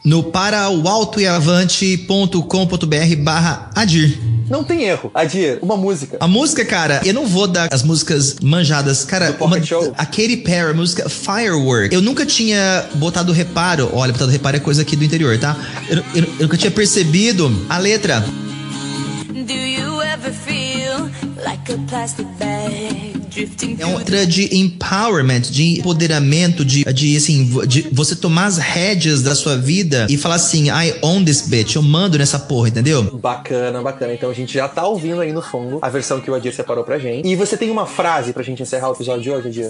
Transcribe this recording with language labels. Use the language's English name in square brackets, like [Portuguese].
[Portuguese] No paraoaltoeavante.com.br/Adir. Não tem erro. Adir, uma música. A música, cara, eu não vou dar as músicas manjadas. Cara, a Katy Perry, a música Firework. Eu nunca tinha botado reparo. Olha, botado reparo é coisa aqui do interior, tá? Eu nunca tinha percebido a letra. [English] Do you ever feel like a plastic bag? [Portuguese] É uma letra de empowerment, de empoderamento, de você tomar as rédeas da sua vida e falar assim, [English] I own this bitch, [Portuguese] eu mando nessa porra, entendeu? Bacana, bacana. Então a gente já tá ouvindo aí no fundo a versão que o Adir separou pra gente. E você tem uma frase pra gente encerrar o episódio de hoje, Adir?